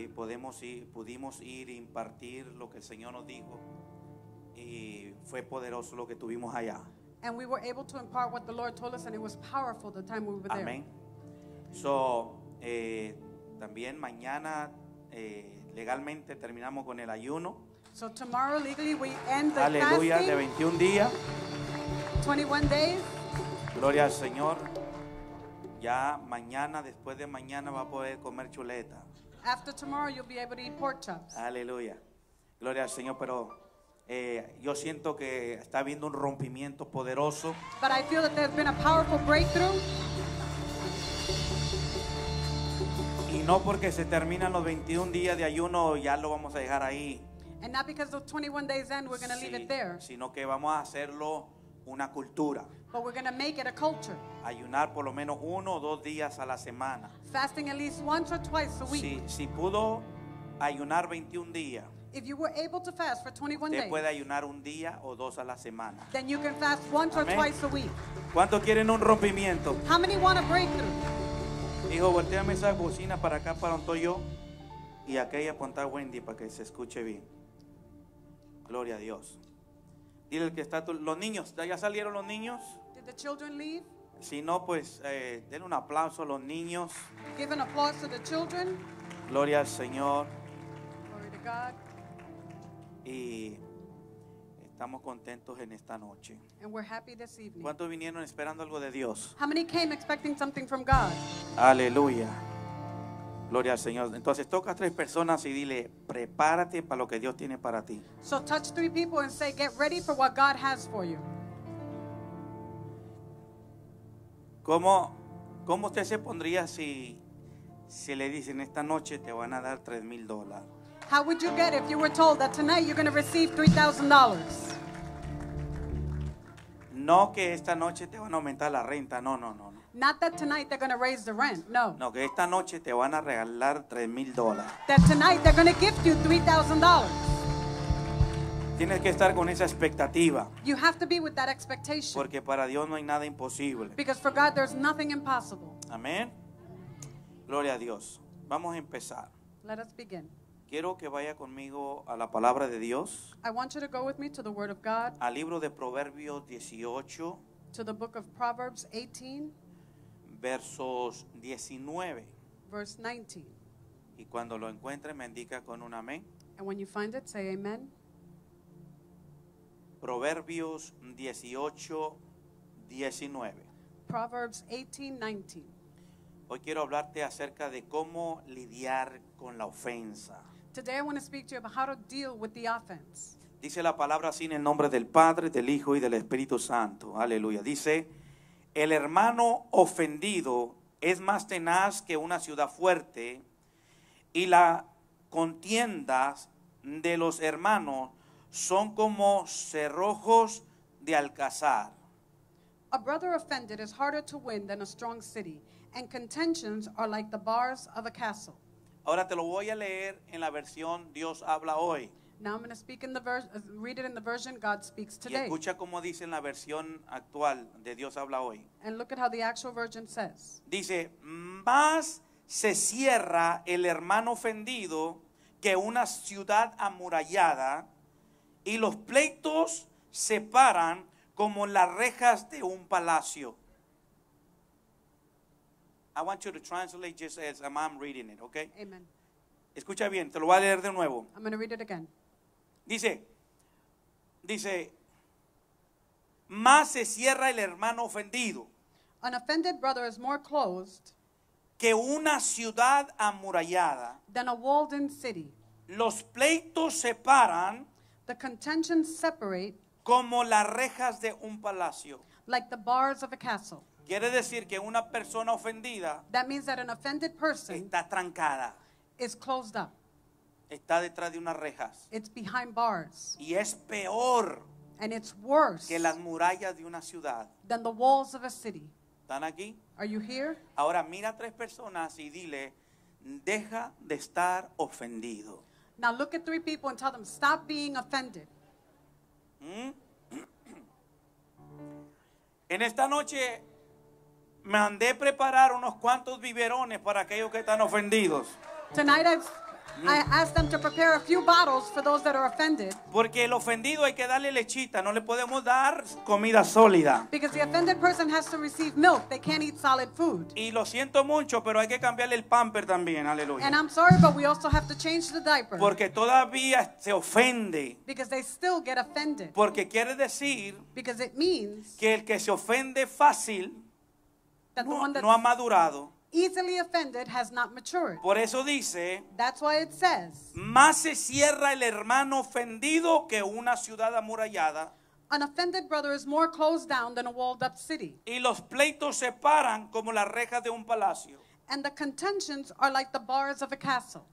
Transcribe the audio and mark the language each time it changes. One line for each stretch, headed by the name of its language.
Spanish: Pudimos ir e impartir lo que el Señor nos dijo. Y fue poderoso lo que tuvimos allá.
English: And we were able to impart what the Lord told us, and it was powerful the time we were there.
Spanish: Amén. So, también mañana legalmente terminamos con el ayuno.
English: So tomorrow legally we end the
Spanish: aleluya,
English: fasting.
Spanish: Aleluya, de 21 días.
English: 21 days.
Spanish: Gloria al Señor. Ya mañana, después de mañana, va a poder comer chuleta.
English: After tomorrow, you'll be able to eat pork chops.
Spanish: Aleluya. Gloria al Señor, pero yo siento que está habiendo un rompimiento poderoso.
English: But I feel that there's been a powerful breakthrough.
Spanish: Y no porque se terminan los 21 días de ayuno, ya lo vamos a dejar ahí.
English: And not because those 21 days end, we're going to leave it there.
Spanish: Sino que vamos a hacerlo una cultura.
English: But we're going to make it a culture.
Spanish: Ayunar por lo menos uno o dos días a la semana.
English: Fasting at least once or twice a week.
Spanish: Si pudo ayunar 21 días.
English: If you were able to fast for 21
Spanish: usted
English: days.
Spanish: Puede ayunar un día o dos a la semana.
English: Then you can fast once
Spanish: amén.
English: Or twice a week.
Spanish: ¿Cuántos quieren un rompimiento?
English: How many want a breakthrough?
Spanish: Hijo, volteame esa bocina para acá para donde estoy yo y aquella apunta Wendy para que se escuche bien. Gloria a Dios. Dile que está los niños, ¿ya salieron los niños?
English: Did the children leave?
Spanish: Si no, pues denle un aplauso a los niños.
English: Give an applause to the children.
Spanish: Gloria al Señor.
English: Glory to God.
Spanish: Y estamos contentos en esta noche.
English: And we're happy this evening.
Spanish: ¿Cuántos vinieron esperando algo de Dios?
English: How many came expecting something from God?
Spanish: Aleluya. Gloria al Señor. Entonces toca a tres personas y dile, prepárate para lo que Dios tiene para ti.
English: So touch three people and say, get ready for what God has for you.
Spanish: ¿Cómo usted se pondría si le dicen esta noche te van a dar $3,000?
English: How would you get if you were told that tonight you're going to receive $3,000?
Spanish: No que esta noche te van a aumentar la renta, no, no, no.
English: Not that tonight they're going to raise the rent, no.
Spanish: No, que esta noche te van a regalar $3,000.
English: That tonight they're going to gift you $3,000.
Spanish: Tienes que estar con esa expectativa.
English: You have to be with that expectation.
Spanish: Porque para Dios no hay nada imposible.
English: Because for God there's nothing impossible.
Spanish: Amén. Gloria a Dios. Vamos a empezar.
English: Let us begin.
Spanish: Quiero que vaya conmigo a la palabra de Dios.
English: I want you to go with me to the word of God.
Spanish: Al libro de Proverbios 18.
English: To the book of Proverbs 18.
Spanish: Versos 19.
English: Verse 19.
Spanish: Y cuando lo encuentre, me indica con un amén.
English: And when you find it, say amen.
Spanish: Proverbios 18, 19.
English: Proverbs 18, 19.
Spanish: Hoy quiero hablarte acerca de cómo lidiar con la ofensa.
English: Today I want to speak to you about how to deal with the offense.
Spanish: Dice la palabra así en el nombre del Padre, del Hijo y del Espíritu Santo. Aleluya. Dice, el hermano ofendido es más tenaz que una ciudad fuerte, y la contienda de los hermanos son como cerrojos de alcázar.
English: A brother offended is harder to win than a strong city, and contentions are like the bars of a castle.
Spanish: Ahora te lo voy a leer en la versión Dios habla hoy.
English: Now I'm going to speak in the read it in the version God speaks today.
Spanish: Y escucha cómo dice en la versión actual de Dios habla hoy.
English: And look at how the actual version says.
Spanish: Dice, más se cierra el hermano ofendido que una ciudad amurallada, y los pleitos se paran como las rejas de un palacio.
English: I want you to translate just as I'm reading it, okay? Amen.
Spanish: Escucha bien, te lo voy a leer de nuevo.
English: I'm going to read it again.
Spanish: Dice, más se cierra el hermano ofendido.
English: An offended brother is more closed.
Spanish: Que una ciudad amurallada.
English: Than a walled-in city.
Spanish: Los pleitos se paran.
English: The contentions separate.
Spanish: Como las rejas de un palacio.
English: Like the bars of a castle.
Spanish: Quiere decir que una persona ofendida,
English: that means that an offended person,
Spanish: está trancada,
English: is closed up,
Spanish: está detrás de unas rejas,
English: it's behind bars,
Spanish: y es peor,
English: and it's worse,
Spanish: que las murallas de una ciudad,
English: than the walls of a city.
Spanish: ¿Están aquí?
English: Are you here?
Spanish: Ahora mira a tres personas y dile, deja de estar ofendido.
English: Now look at three people and tell them, stop being offended.
Spanish: En esta noche mandé preparar unos cuantos biberones para aquellos que están ofendidos.
English: Tonight I asked them to prepare a few bottles for those that are offended.
Spanish: Porque el ofendido hay que darle lechita, no le podemos dar comida sólida.
English: Because the offended person has to receive milk, they can't eat solid food.
Spanish: Y lo siento mucho, pero hay que cambiarle el pamper también, aleluya.
English: And I'm sorry, but we also have to change the diaper.
Spanish: Porque todavía se ofende.
English: Because they still get offended.
Spanish: Porque quiere decir,
English: because it means,
Spanish: que el que se ofende fácil,
English: that the
Spanish: no,
English: one that
Spanish: no ha madurado.
English: Easily offended has not matured.
Spanish: Por eso dice,
English: that's why it says,
Spanish: más se cierra el hermano ofendido que una ciudad amurallada.
English: An offended brother is more closed down than a walled up city.
Spanish: Y los pleitos se paran como las rejas de un palacio.
English: And the contentions are like the bars of a castle.